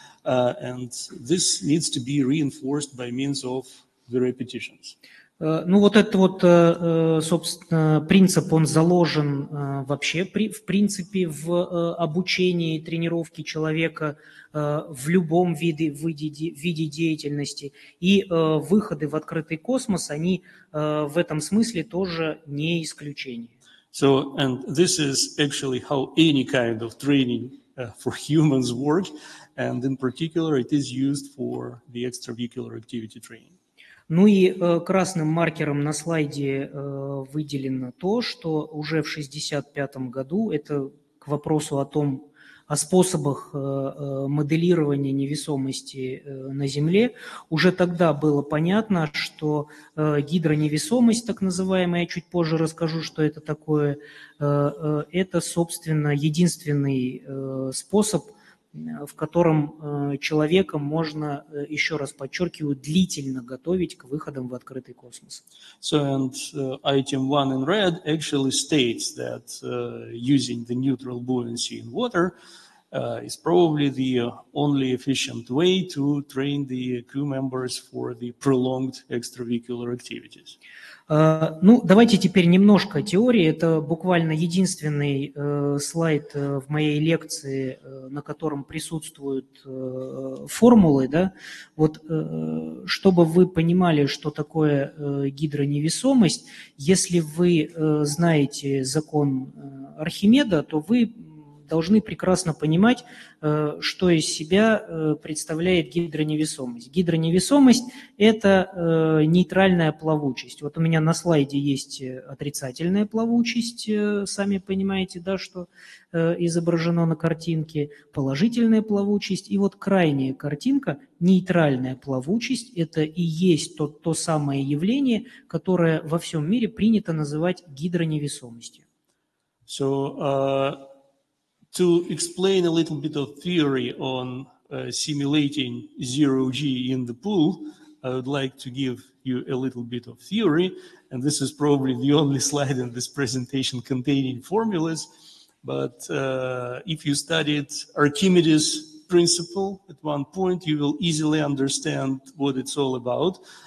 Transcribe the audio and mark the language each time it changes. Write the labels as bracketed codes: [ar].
[en] And this needs to be reinforced by means of the repetitions. [ru] Ну вот этот вот, собственно, принцип, он заложен вообще, в принципе, в обучении и тренировке человека в любом виде деятельности. И выходы в открытый космос, они в этом смысле тоже не исключение. [en] So, and this is actually how any kind of training for humans work, and in particular it is used for the extravehicular activity training. [ru] Ну и красным маркером на слайде выделено то, что уже в 65-м году, это к вопросу о том, о способах моделирования невесомости на Земле, уже тогда было понятно, что гидроневесомость, так называемая, я чуть позже расскажу, что это такое, это, собственно, единственный способ, в котором человека можно, еще раз подчеркиваю, длительно готовить к выходам в открытый космос. [en] So, and item 1 in red actually states that using the neutral buoyancy in water is probably the only efficient way to train the crew members for the prolonged extravehicular activities. [ru] Ну, давайте теперь немножко теории. Это буквально единственный слайд в моей лекции, на котором присутствуют формулы, да. Вот, чтобы вы понимали, что такое гидроневесомость, если вы знаете закон Архимеда, то вы должны прекрасно понимать, что из себя представляет гидроневесомость. Гидроневесомость – это нейтральная плавучесть. Вот у меня на слайде есть отрицательная плавучесть, сами понимаете, да, что изображено на картинке, положительная плавучесть. И вот крайняя картинка – нейтральная плавучесть. Это и есть то самое явление, которое во всем мире принято называть гидроневесомостью. [en] So, to explain a little bit of theory on simulating zero G in the pool, I would like to give you a little bit of theory, and this is probably the only slide in this presentation containing formulas, but if you studied Archimedes' principle at one point, you will easily understand what it's all about.